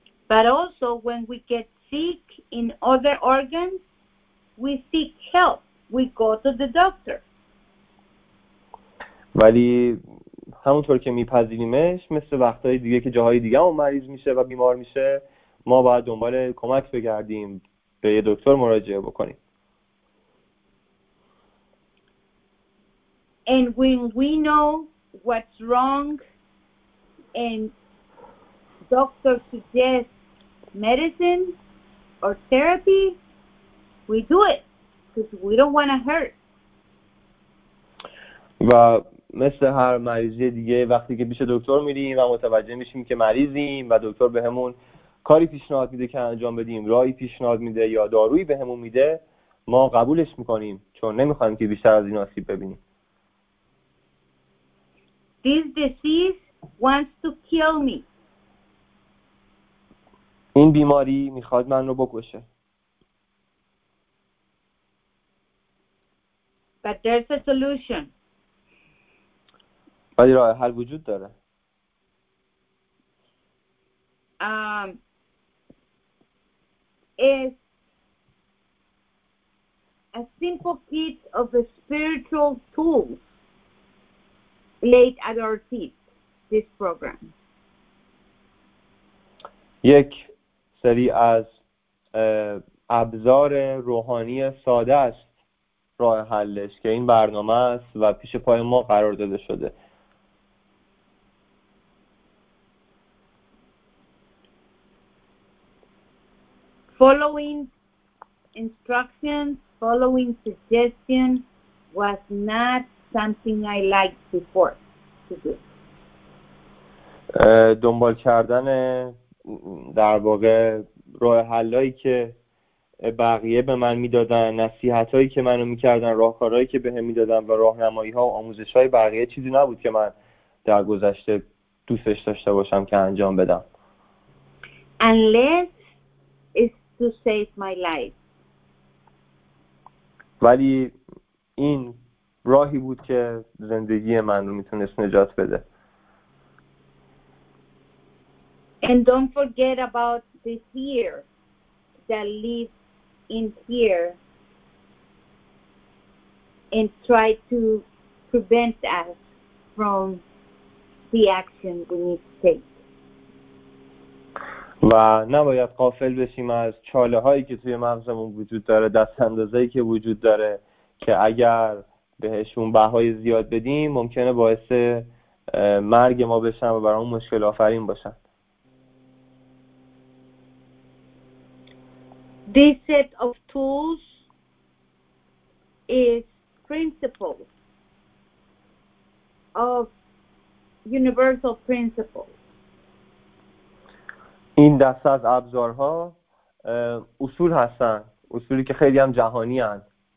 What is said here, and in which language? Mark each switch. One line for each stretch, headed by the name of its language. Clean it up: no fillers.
English: But also when we get sick in other organs, we seek help. We go to the doctor.
Persian: ولی همونطور که میپذیریمش، مثل وقتهای دیگه که جاهای دیگه هم مریض میشه و بیمار میشه، ما باید دنبال کمک بگردیم، به یه دکتر مراجعه بکنیم.
English: And when we know what's wrong and doctor suggests medicine or therapy, we do it because we don't want to hurt.
Persian: و مثل هر مریضی دیگه، وقتی که پیش دکتر میریم و متوجه میشیم که مریضیم و دکتر بهمون کاری پیشنهاد میده که انجام بدیم، راهی پیشنهاد میده یا دارویی بهمون میده، ما قبولش میکنیم چون نمیخوایم که بیشتر از این آسیب ببینیم.
English: This disease wants to kill me.
Persian: این بیماری میخواد من رو بکشه.
English: But there's a solution.
Persian: ولی راه حل وجود داره.
English: Is a simple kit of the spiritual tools laid at our feet, this program.
Persian: یک سری از ابزار روحانی ساده است راه حلش که این برنامه است و پیش پای ما قرار داده شده.
English: Following instructions, following suggestions was not something I liked before.
Persian: دنبال کردن در واقع راه حلایی که بقیه به من میدادن، نصیحتایی که منو میکردن، راهکارهایی که بهم میدادن و راهنمایی‌ها و آموزش‌های بقیه چیزی نبود که من در گذشته دوستش داشته باشم که انجام بدم.
English: Unless it's to save my life.
Persian: ولی این راهی بود که زندگی من رو میتونست نجات بده.
English: And don't forget about the fear that lives in here and try to prevent us from the action we need to take.
Persian: و نباید غافل بشیم از چاله هایی که توی مغزمون وجود داره، دست اندازه‌ای که وجود داره که اگر بهشون بهای زیاد بدیم ممکنه باعث مرگ ما بشن و برامون مشکل آفرین باشن.
English: This set of tools is principles of universal principles.
Persian: این دست از ابزارها اصول هستند، اصولی که خیلی هم جهانی هستند.